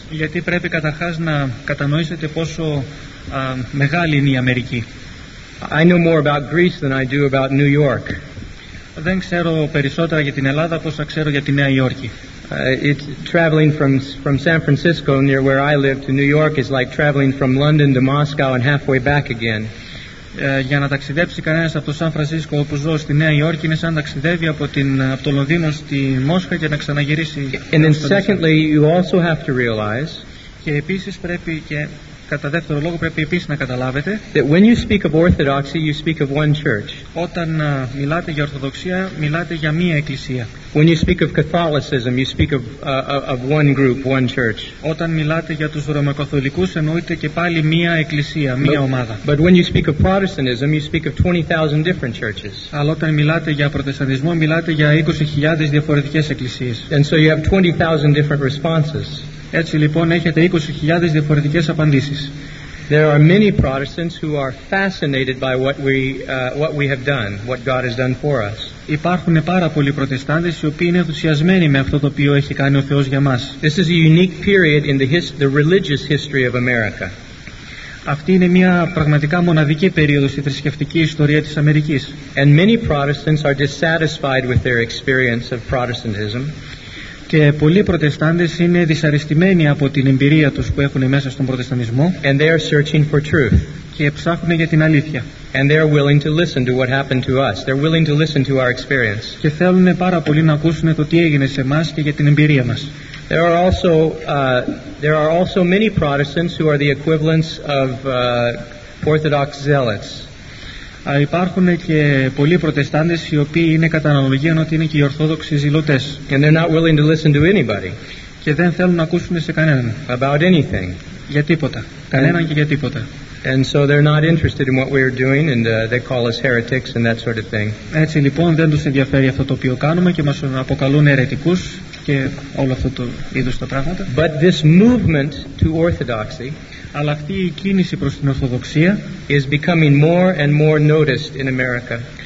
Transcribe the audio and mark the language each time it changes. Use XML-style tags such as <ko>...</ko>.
<el>Γιατί πρέπει καταρχάς να κατανοήσετε πόσο μεγάλη είναι η Αμερική.</el> <en>I know more about Greece than I do about New York.</en> <el>Δεν ξέρω περισσότερα για την Ελλάδα από όσα ξέρω για τη Νέα Υόρκη.</el> <en>Traveling from San Francisco near where I live to New York is like traveling from London to Moscow and halfway back again.</en> <el>Για να ταξιδέψει κανένας από το Σαν Φρανσίσκο όπου ζω στη Νέα Υόρκη είναι σαν ταξιδεύει από το Λονδίνο στη Μόσχα για να ξαναγυρίσει.</el> <en>And then secondly, you also have to realize.</en> <el>Και επίσης πρέπει και κατά δεύτερο λόγο πρέπει επίσης να καταλάβετε.</el> <en>That when you speak of Orthodoxy, you speak of one church.</en> <el>Όταν μιλάτε για Ορθοδοξία, μιλάτε για μία εκκλησία.</el> <en>When you speak of Catholicism, you speak of one group, one church.</en> <el>Όταν μιλάτε για τους Ρωμακαθολικούς, εννοείται και πάλι μία εκκλησία, μία ομάδα.</el> <en>But when you speak of Protestantism, you speak of 20,000 different churches.</en> <el>Αλλά όταν μιλάτε για Προτεσταντισμό, μιλάτε για 20,000 διαφορετικές εκκλησίες.</el> <en>And so you have 20,000 different responses.</en> <el>Έτσι λοιπόν έχετε 20,000 διαφορετικές απαντήσεις.</el> <en>There are many Protestants who are fascinated by what we have done, what God has done for us.</en> <el>Υπάρχουν πάρα πολλοί Προτεστάντες οι οποίοι είναι ενθουσιασμένοι με αυτό το οποίο έχει κάνει ο Θεός για μας.</el> <en>This is a unique period in the religious history of America.</en> <el>Αυτή είναι μια πραγματικά μοναδική περίοδος στη θρησκευτική ιστορία της Αμερικής.</el> <en>And many Protestants are dissatisfied with their experience of Protestantism.</en> <el>Και πολλοί Προτεστάντες είναι δυσαρεστημένοι από την εμπειρία τους που έχουν μέσα στον Προτεσταντισμό.</el> <en>And they are searching for truth.</en> <el>Και ψάχνουν για την αλήθεια.</el> <en>And they are willing to listen to what happened to us. They're willing to listen to our experience.</en> <el>Και θέλουν πάρα πολύ να ακούσουν το τι έγινε σε εμάς και για την εμπειρία μας.</el> <en>There are also many Protestants who are the equivalents of Orthodox zealots.</en> <el>Υπάρχουν και πολλοί Προτεστάντες οι οποίοι είναι κατά αναλογία ότι είναι και οι Ορθόδοξοι ζηλωτές.</el> <en>And they're not willing to listen to anybody.</en> <el>Και δεν θέλουν να ακούσουν σε κανέναν.</el> <en>About anything.</en> <el>Για τίποτα. Κανέναν και για τίποτα.</el> <en>And so they're not interested in what we're doing and they call us heretics and that sort of thing.</en> <el>Έτσι λοιπόν δεν τους ενδιαφέρει αυτό το οποίο κάνουμε και μας αποκαλούν αιρετικούς και όλο αυτό το είδος τα πράγματα.</el> <en>But this movement to Orthodoxy.</en> <el>Αλλά αυτή η κίνηση προς την Ορθοδοξία</el> <en>is becoming more and more noticed in America.</en>